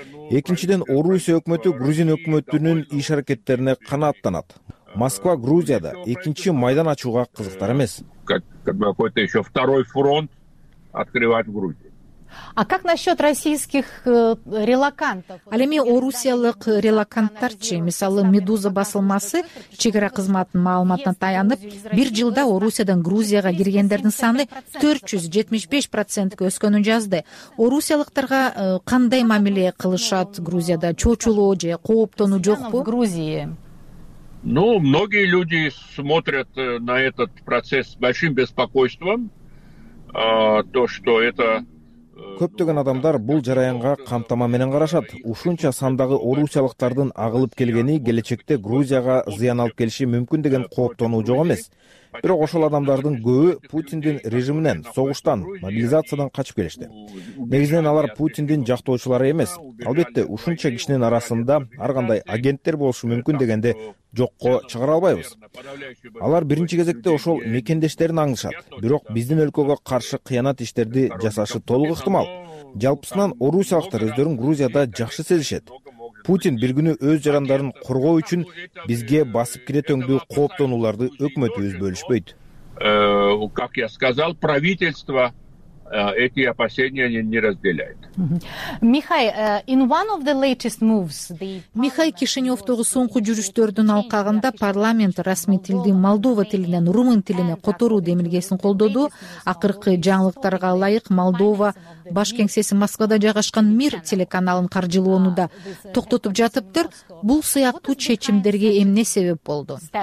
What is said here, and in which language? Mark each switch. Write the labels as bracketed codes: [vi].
[ky] Экинчиден Орусия өкмөтү грузин өкмөтүнүн иш аракеттерине канааттанат. Москва Грузияда экинчи майдан ачууга кызыктар эмес. [ru] Какой-то еще второй фронт открывать в Грузии. А как насчет российских релакантов? [ky] Ал эми орусиялык релаканттарчы, мисалы Медуза басылмасы чек ара кызматынын маалыматына таянып, бир жылда Орусиядан Грузияга киргендердин саны 475% өскөнүн жазды. Орусиялыктарга кандай мамиле кылышат Грузияда? Чочулоо же кооптонуу жокпу? [ru] Грузии. Ну, многие люди смотрят на этот процесс с большим беспокойством, то что это. [ky] Көптөгөн адамдар бул жараянга камтама менен карашат. Ушунча сандагы орусиялыктардын агылып келгени келечекте Грузияга зыян алып келиши мүмкүн деген кооптонуу жок эмес. Бирок ошол адамдардын көбү Путиндин режиминен, согуштан, мобилизациядан качып келишти. Негизинен алар Путиндин жактоочулары эмес. Албетте, ушунча кишинин арасында ар кандай агенттер болушу мүмкүн дегенде жокко чыгара албайбыз. Алар биринчи кезекте ошол мекендештерин аңдышат. Бирок биздин өлкөгө каршы кыянат иштерди жасашы толук ыктымал. Жалпысынан орусиялыктар өздөрүн Грузияда жакшы сезишет. Путин бир күнү өз жарандарын коргоо үчүн бизге басып кире төңдүү кооптонууларды өкмөтүбүз бөлүшпөйт. [ru] Как я сказал, правительство эти опасения не разделяет. [ky] Михай Кишиневтогу соңку жүрүштөрдүн алкагында парламент расмий тилди Молдова тилинен румын тилине которуу демилгесин колдоду. Акыркы жаңылыктарга ылайык, Молдова баш кеңсеси Москвада жайгашкан Мир телеканалын каржылоону да токтотуп жатыптыр. Бул сыяктуу чечимдерге эмне себеп болду?